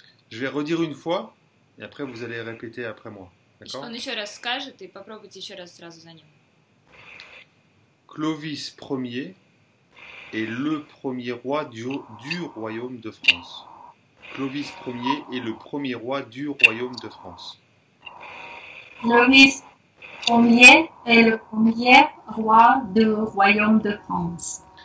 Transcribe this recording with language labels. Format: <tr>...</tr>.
<fr>Je vais redire une fois et après vous allez répéter après moi,</fr> <ru>Он</ru> <fr>d'accord?</fr> <ru>еще раз скажет, и попробуйте еще раз сразу за ним.</ru> <fr>Clovis Ier est le premier roi du royaume de France. Clovis Ier est le premier roi du royaume de France. Clovis Ier est le premier roi du royaume de France.</fr>